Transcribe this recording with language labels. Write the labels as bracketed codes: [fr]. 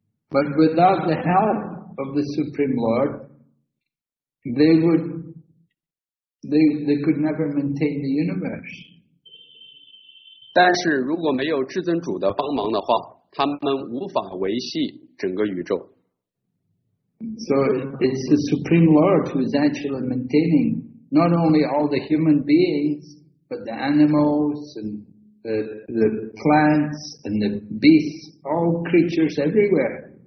[en] But without the help of the Supreme Lord, they could never maintain the universe. [zh] 但是如果没有至尊主的帮忙的话, 他们无法维系整个宇宙。 [en] So it's the Supreme Lord who is actually maintaining not only all the human beings, but the animals and the plants and the beasts, all creatures everywhere.